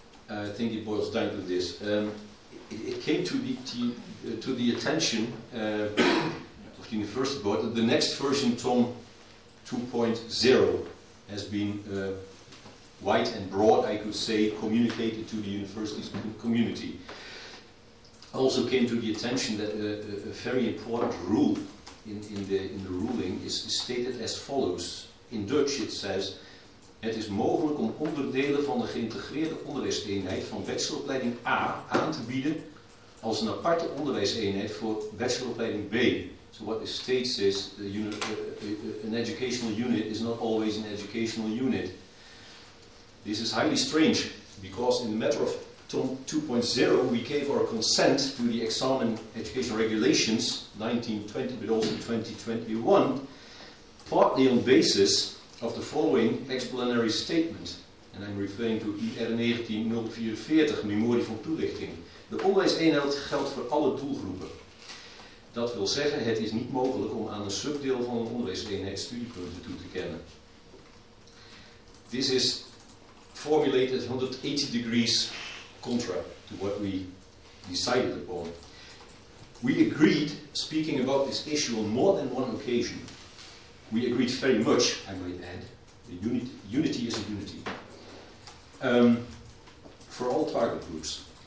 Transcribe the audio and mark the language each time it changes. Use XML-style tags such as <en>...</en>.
<en>I think it boils down to this. It came to the attention of the university board that the next version, TOM 2.0, has been wide and broad, I could say, communicated to the university's community. Also came to the attention that a very important rule in the ruling is stated as follows. In Dutch it says,</en> <nl>het is mogelijk om onderdelen van de geïntegreerde onderwijseenheid van bacheloropleiding A aan te bieden als een aparte onderwijseenheid voor bacheloropleiding B.</nl> <en>So what it states is, an educational unit is not always an educational unit. This is highly strange, because in the matter of TOM 2.0, we gave our consent to the exam and education regulations, 1920, but also 2021, partly on basis of the following explanatory statement, and I'm referring to IR19044, Memorie van Toelichting.</en> <nl>De onderwijseenheid geldt voor alle doelgroepen. Dat wil zeggen, het is niet mogelijk om aan een subdeel van een onderwijseenheid studiepunten toe te kennen.</nl> <en>This is formulated 180 degrees contra to what we decided upon. We agreed, speaking about this issue on more than one occasion, we agreed very much, I might add, the unity is a unity, for all target groups.</en>